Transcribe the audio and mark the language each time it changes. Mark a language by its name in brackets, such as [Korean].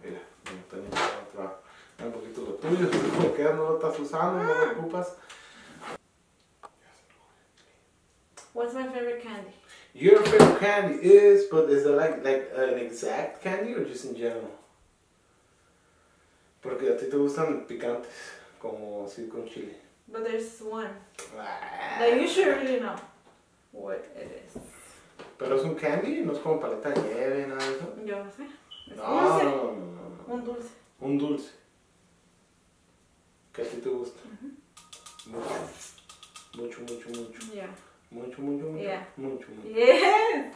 [Spanish] Mira, no tenía que encontrar un poquito lo tuyo, porque ya no lo estás usando, no te ocupas. [English] What's my favorite candy? Your favorite candy is, but is it like an exact candy or just in general? [Spanish] Porque a ti te gustan picantes, como así con chile. [English] But there's one that you should really know what it is. [Spanish] ¿Pero es un candy? ¿No es como paleta de nieve, nada de eso? Yo no sé. ¿Es dulce? No. Un dulce. Un dulce. ¿Qué a ti te gusta? Mucho. Mucho, mucho, mucho. Ya. Mucho, mucho, mucho. Ya. Mucho, mucho. [English] Yeah.